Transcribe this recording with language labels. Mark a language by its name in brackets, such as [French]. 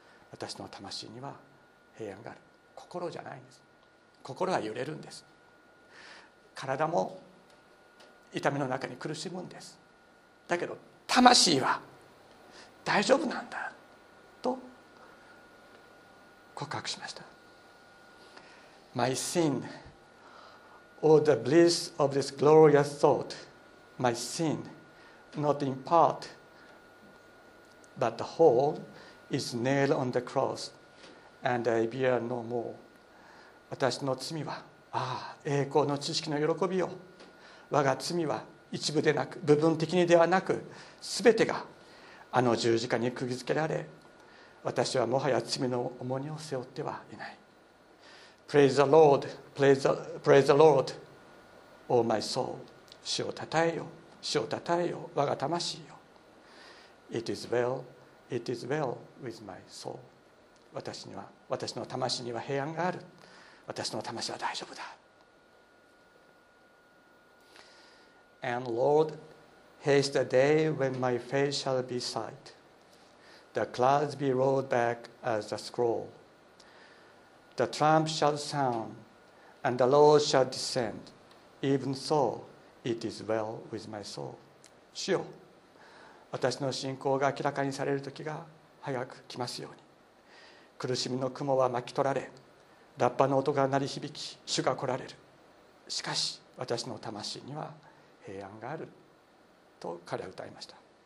[Japanese] 私の魂には平安がある。心じゃないんです。心は揺れるんです。体も痛みの中に苦しむんです。だけど魂は大丈夫なんだと告白しました。 [English] My sin, or the bliss of this glorious thought, my sin, not in part, but the whole,is nailed on the cross, and I bear no more. [Japanese] 私の罪は、ああ、栄光の知識の喜びよ。我が罪は一部でなく、部分的にではなく、すべてがあの十字架に釘付けられ、私はもはや罪の重荷を背負ってはいない。 [English] Praise the Lord, praise the Lord, O my soul. [Japanese] 主をたたえよ、主をたたえよ、我が魂よ。 [English] It is well. It is well with my soul. [Japanese] 私の魂には平安がある。私の魂は大丈夫だ。 [English] And Lord, haste the day when my face shall be sight, the clouds be rolled back as a scroll, the trump shall sound, and the Lord shall descend. Even so, it is well with my soul. [Japanese] 主よ、私の信仰が明らかにされる時が早く来ますように。苦しみの雲は巻き取られ、ラッパの音が鳴り響き、主が来られる。しかし私の魂には平安があると彼は歌いました。